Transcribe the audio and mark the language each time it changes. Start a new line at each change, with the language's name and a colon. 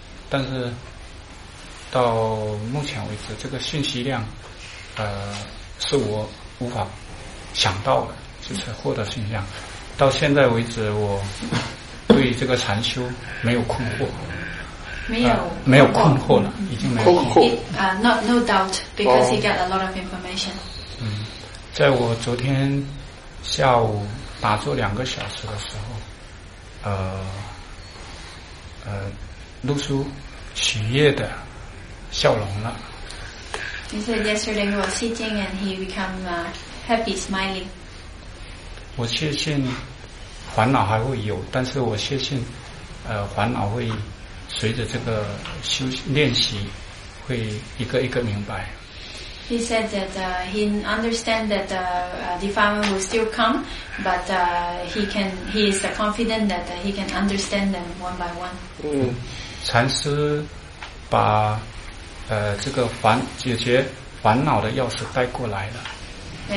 Chinese: 但是到目前为止，这个信息量，是我无法想到的。就是获得信仰，到现在为止，我对这个禅修没有困惑，没有困惑了，已经没有困惑。
English: No doubt, because he got a lot of information.
Chinese: 在我昨天下午打坐两个小时的时候，露出喜悦的笑容了。
English: He said yesterday he was sitting and he became happy smiling.
Chinese: 我确信烦恼还会有，但是我确信，烦恼会随着这个修练习，会一个一个明白。
English: He said that he understand that the defilement will still come, but he is confident that he can understand them one by one.
Chinese: 禅师把这个解决烦恼的钥匙带过来了。